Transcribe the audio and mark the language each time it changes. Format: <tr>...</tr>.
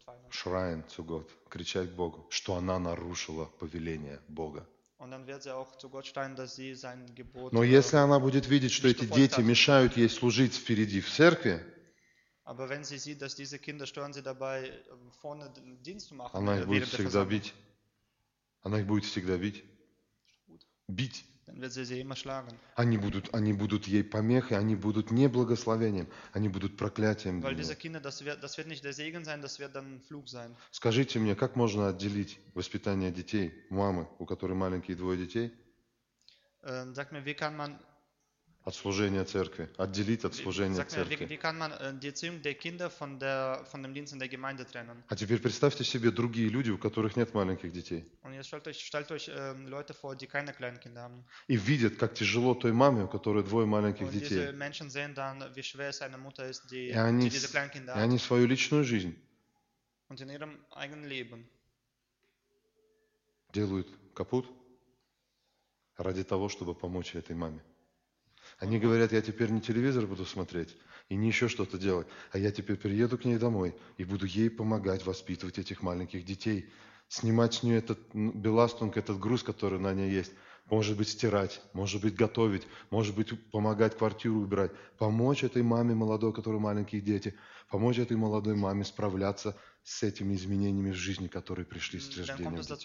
<de>Schreien zu Gott,</de> <ru>кричать к Богу, что она нарушила повеление Бога.</ru> <de>Und dann wird sie auch zu Gott schreien, dass sie sein Gebot.</de> <ru>Но если она будет видеть, что эти дети мешают ей служить впереди в церкви,</ru> <de>aber wenn sie sieht, dass diese Kinder stören sie dabei vorne Dienst zu machen,</de> <ru>она их будет всегда бить. Она их будет всегда бить. Бить.</ru> <de>Dann wird sie immer schlagen.</de> <ru>Они будут ей помехой, они будут не благословением, они будут проклятием.</ru> <de>Weil diese Kinder, das wird nicht der Segen sein, das wird dann Fluch sein.</de> <ru>Скажите мне, как можно отделить воспитание детей, мамы, у которой маленькие двое детей?</ru> <de>Sag mir, wie kann man</de> <ru>от служения церкви, отделить от служения церкви.</ru> <de>Wie kann man die Erziehung der Kinder von dem Dienst in der Gemeinde trennen?</de> <ru>А теперь представьте себе другие люди, у которых нет маленьких детей.</ru> <de>Und jetzt stellt euch Leute vor, die keine kleinen Kinder haben.</de> <ru>И видят, как тяжело той маме, у которой двое маленьких</ru> <de>und</de> <ru>детей.</ru> <de>Diese Menschen sehen dann, wie schwer es einer Mutter ist, die diese kleinen Kinder haben.</de> <ru>И они свою личную жизнь.</ru> <de>Und in ihrem eigenen Leben.</de> <ru>Делают капут ради того, чтобы помочь этой маме. Они говорят, я теперь не телевизор буду смотреть и не еще что-то делать, а я теперь приеду к ней домой и буду ей помогать воспитывать этих маленьких детей, снимать с нее этот беластунг, этот груз, который на ней есть, может быть, стирать, может быть, готовить, может быть, помогать квартиру убирать, помочь этой маме молодой, у которой маленькие дети, помочь этой молодой маме справляться с этими изменениями в жизни, которые пришли с рождением</ru>